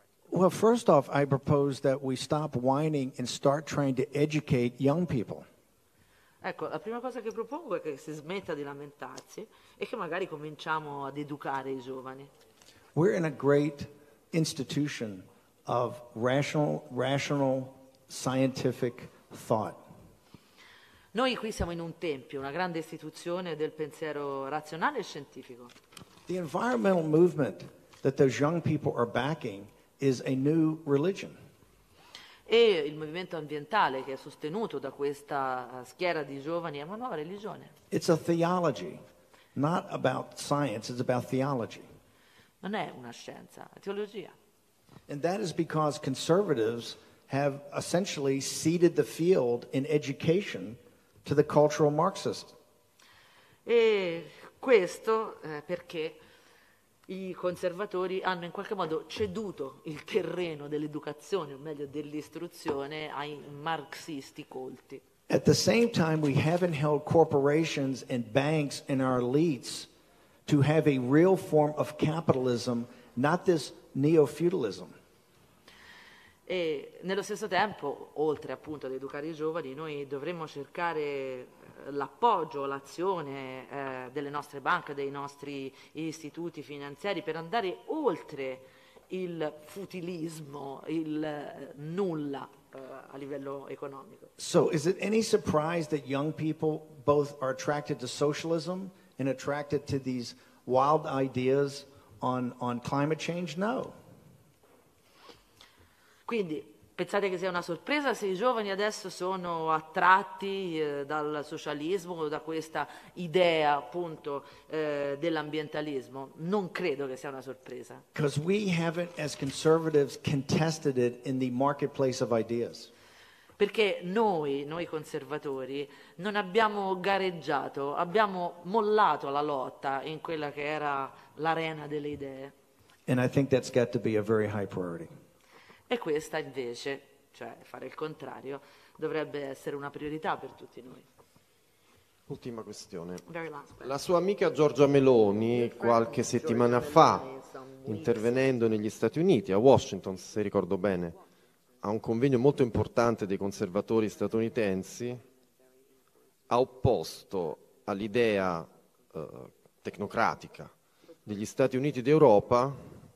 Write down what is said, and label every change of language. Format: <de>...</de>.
<en>Well, first off, I propose that we stop whining and start trying to educate young people.</en> <it>Ecco, la prima cosa che propongo è che si smetta di lamentarsi e che magari cominciamo ad educare i giovani.</it> <en>We're in a great institution of rational scientific thought.</en> <it>Noi qui siamo in un tempio, una grande istituzione del pensiero razionale e scientifico.</it> <en>The environmental movement that those young people are backing is a new religion.</en> <it>E il movimento ambientale che è sostenuto da questa schiera di giovani è una nuova religione.</it> <en>It's a theology, not about science, it's about theology.</en> <it>Non è una scienza, è teologia.</it> <en>And that is because conservatives have essentially ceded the field in education to the cultural Marxist.</en> <it>E questo perché i conservatori hanno in qualche modo ceduto il terreno dell'educazione, o meglio dell'istruzione, ai marxisti colti.</it> <en>At the same time, we haven't held corporations and banks and our elites to have a real form of capitalism, not this neo-feudalism.</en> <it>E nello stesso tempo, oltre appunto ad educare i giovani, noi dovremmo cercare l'appoggio, l'azione delle nostre banche, dei nostri istituti finanziari per andare oltre il futilismo, il nulla a livello economico.</it> <en>So, is it any surprise that young people both are attracted to socialism and attracted to these wild ideas on climate change? No.</en> <it>Quindi, pensate che sia una sorpresa se i giovani adesso sono attratti dal socialismo o da questa idea appunto dell'ambientalismo? Non credo che sia una sorpresa.</it> <en>Because we haven't, as conservatives, contested it in the marketplace of ideas.</en> <it>Perché noi conservatori, non abbiamo gareggiato, abbiamo mollato la lotta in quella che era l'arena delle idee.</it> <en>And I think that's got to be a very high priority.</en> <it>E questa invece, cioè fare il contrario, dovrebbe essere una priorità per tutti noi. Ultima questione. La sua amica Giorgia Meloni, qualche settimana fa, intervenendo negli Stati Uniti, a Washington, se ricordo bene, a un convegno molto importante dei conservatori statunitensi, ha opposto all'idea tecnocratica degli Stati Uniti d'Europa</it>